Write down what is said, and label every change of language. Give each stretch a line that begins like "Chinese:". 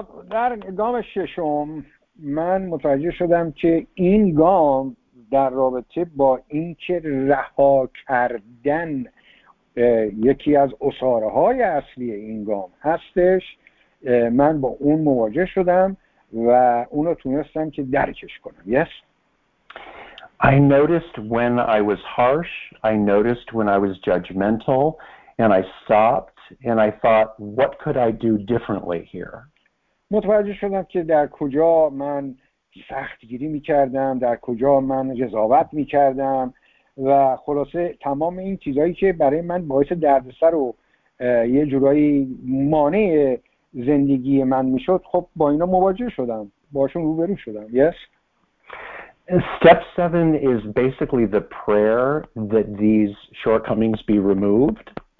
Persian: در گام ششم من متوجه شدم که این گام در رابطه با اینکه رها کردن یکی از اساره های اصلی این گام هستش، من با اون مواجه شدم و اونو تونستم که درکش کنم.
English: Yes. I noticed when I was harsh, I noticed when I was judgmental, and I stopped and I thought, what could I do differently here?
Persian: متوجه شدم که در کجا من سختگیری می‌کردم، در کجا من قضاوت می‌کردم و خلاصه تمام این چیزهایی که برای من باعث دردسر و یه جورایی مانع زندگی من می‌شد، خب با اینا مواجه شدم، باشون روبرو شدم.
English: Yes. Step 7 is basically the prayer that these shortcomings be removed.